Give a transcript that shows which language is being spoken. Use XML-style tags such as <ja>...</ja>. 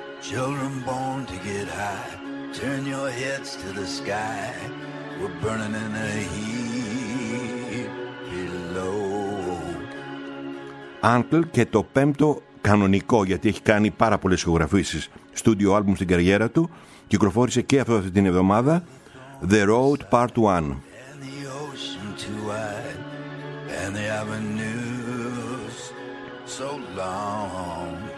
<en>Children born to get high, turn your heads to the sky, we're burning in a heat below.</en> <el>Uncle και το πέμπτο κανονικό, γιατί έχει κάνει πάρα πολλές ηχογραφήσεις, στούντιο άλμπουμ στην καριέρα του, κυκλοφόρησε και αυτό αυτή την εβδομάδα, The Road Part 1.</el> <en>And the ocean too wide, and the avenues so long.</en>